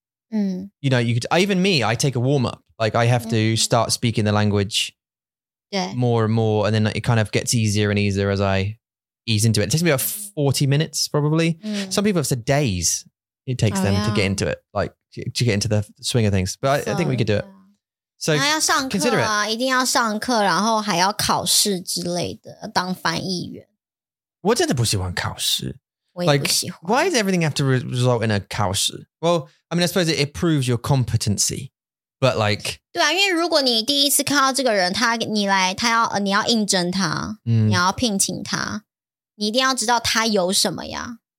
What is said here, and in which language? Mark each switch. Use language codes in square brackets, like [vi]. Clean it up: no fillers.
[en] You know, you could, even me, I take a warm up. Like I have to start speaking the language more and more. And then it kind of gets easier and easier as I ease into it. It takes me about 40 minutes probably. Some people have said days it takes them to get into it. Like to get into the swing of things. But I think we could do it. So [zh] 然后要上课啊, [en] consider it. [zh] 一定要上课, 然后还要考试之类的，当翻译员。我真的不喜欢考试。 [en] Like, why does everything have to result in a 考试? Well, I mean, I suppose it proves your competency. But like... [zh] 对啊,因为如果你第一次看到这个人, 你要应征他, 你要聘请他, 你一定要知道他有什么呀。